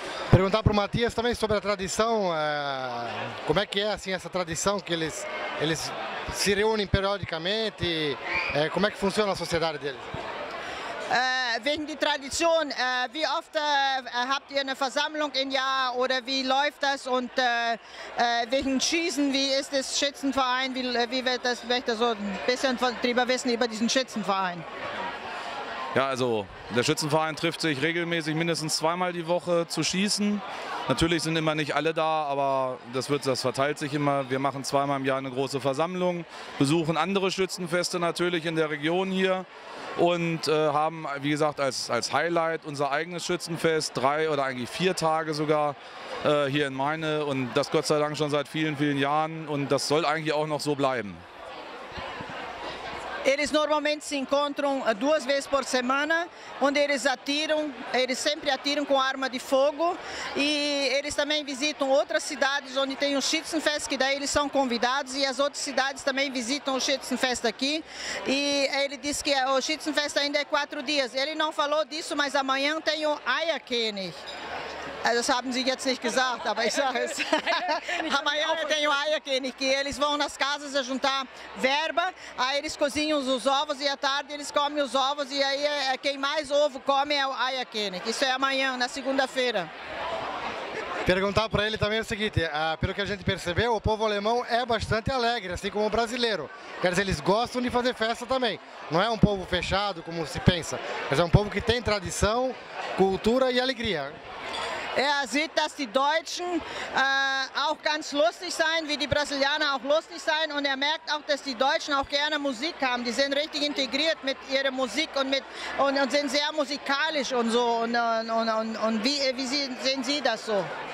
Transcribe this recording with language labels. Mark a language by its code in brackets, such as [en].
[pt] Perguntar para o Matias também sobre a tradição, como é que é assim essa tradição, que eles se reúnem periodicamente, como é que funciona a sociedade deles? [de] Wegen der Tradition, wie oft habt ihr eine Versammlung im Jahr oder wie läuft das und wegen Schießen, wie ist das Schützenverein, wie wird das, möchte so ein bisschen drüber wissen über diesen Schützenverein? Ja, also der Schützenverein trifft sich regelmäßig mindestens zweimal die Woche zu schießen. Natürlich sind immer nicht alle da, aber das verteilt sich immer. Wir machen zweimal im Jahr eine große Versammlung, besuchen andere Schützenfeste natürlich in der Region hier und haben, wie gesagt, als Highlight unser eigenes Schützenfest, 3 oder eigentlich 4 Tage sogar hier in Meine, und das Gott sei Dank schon seit vielen, vielen Jahren, und das soll eigentlich auch noch so bleiben. [pt] Eles normalmente se encontram 2 vezes por semana, onde eles atiram, eles sempre atiram com arma de fogo, e eles também visitam outras cidades onde tem o Schützenfest, que daí eles são convidados, e as outras cidades também visitam o Schützenfest aqui, e ele disse que o Schützenfest ainda é 4 dias. Ele não falou disso, mas amanhã tem o Eierkönig. [de] Das haben Sie jetzt nicht gesagt, aber ich sage es. [pt] Amanhã tem o Eierkönig, que eles vão nas casas a juntar verba, aí eles cozinham os ovos e à tarde eles comem os ovos, e aí quem mais ovo come é o Eierkönig. Isso é amanhã, na segunda-feira. Perguntar para ele também é o seguinte: pelo que a gente percebeu, o povo alemão é bastante alegre, assim como o brasileiro. Quer dizer, eles gostam de fazer festa também. Não é um povo fechado, como se pensa, mas é um povo que tem tradição, cultura e alegria. [de] Er sieht, dass die Deutschen auch ganz lustig sein, wie die Brasilianer auch lustig sein. Und er merkt auch, dass die Deutschen auch gerne Musik haben. Die sind richtig integriert mit ihrer Musik und sind sehr musikalisch und so. Wie sehen Sie das so?